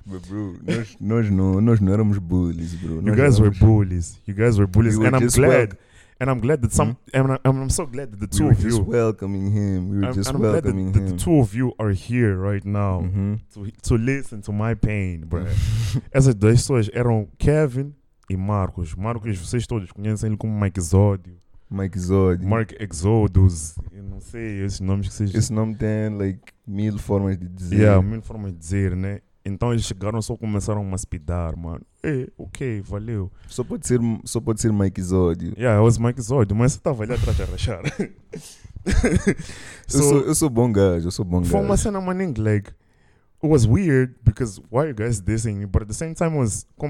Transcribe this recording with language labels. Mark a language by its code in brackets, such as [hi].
[en] But, bro, [pt] nós não éramos bullies, bro. [en] You guys were bullies. We and I'm glad. I'm so glad that the two of you. We were just welcoming him. The two of you are here right now to listen to my pain, bro. [pt] Essas duas pessoas eram Kevin. E Marcos. Marcos, vocês todos conhecem ele como Mike Exódio. Mike Exódio. Mark Exodus. Eu não sei esses nomes que vocês... Esse nome tem, like, mil formas de dizer. Yeah, mil formas de dizer, né? Então eles chegaram e só começaram a speedar, mano. Ok, valeu. Só pode ser Mike Exódio. Yeah, eu sou Mike Exódio, mas você estava ali atrás de rachar. Eu sou bom gajo. Foi uma cena, man, like... [en] It was weird, because why are you guys dissing me? But at the same time, it was...